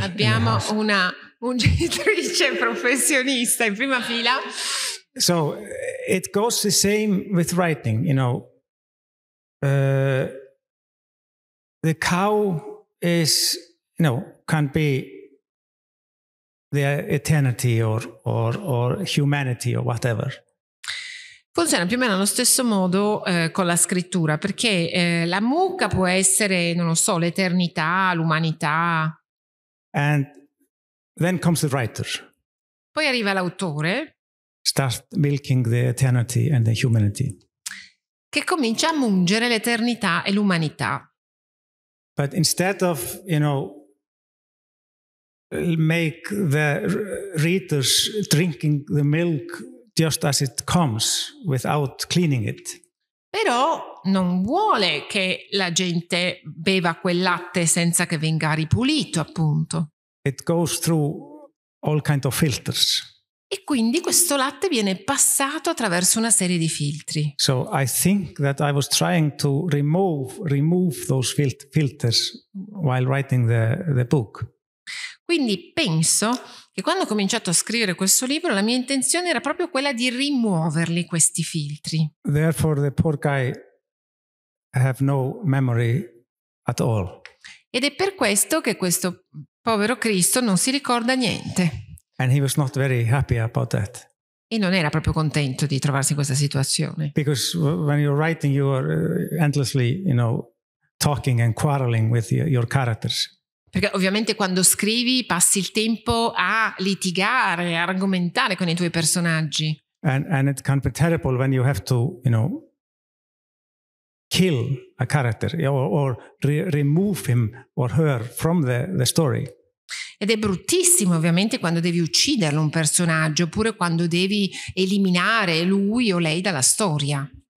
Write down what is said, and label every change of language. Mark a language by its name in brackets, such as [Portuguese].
[Italian] Abbiamo una mungitrice professionista in prima fila. [English] So, it goes the same with writing, you know. The cow is, you know, can be the eternity or humanity or whatever. [Italian] Funziona più o meno allo stesso modo con la scrittura, perché la mucca può essere, non lo so, l'eternità, l'umanità. [English] And then comes the writer. [Italian] Poi arriva l'autore. [English] Start milking the eternity and the humanity. [Italian] Che comincia a mungere l'eternità e l'umanità. [English] But instead of, you know, make the readers drinking the milk just as it comes without cleaning it. [Italian] Però non vuole che la gente beva quel latte senza che venga ripulito, appunto. [English] It goes through all kind of filters. [Italian] E quindi questo latte viene passato attraverso una serie di filtri. [English] So I think that I was trying to remove those filters while writing the book. [Italian] Quindi penso che quando ho cominciato a scrivere questo libro la mia intenzione era proprio quella di rimuoverli, questi filtri. [English] Therefore the poor guy have no memory at all. [Italian] Ed è per questo che questo povero Cristo non si ricorda niente. [English] And he was not very happy about that. [Italian] E non era proprio contento di trovarsi in questa situazione. [English] Because when you're writing you are endlessly, you know, talking and quarreling with your characters. [Italian] Perché ovviamente quando scrivi passi il tempo a litigare, a argomentare con i tuoi personaggi. [English] And it can be terrible when you have to, you know, kill a character or remove him or her from the story. [Italian] Ed è bruttissimo ovviamente quando devi ucciderlo un personaggio oppure quando devi eliminare lui o lei dalla storia.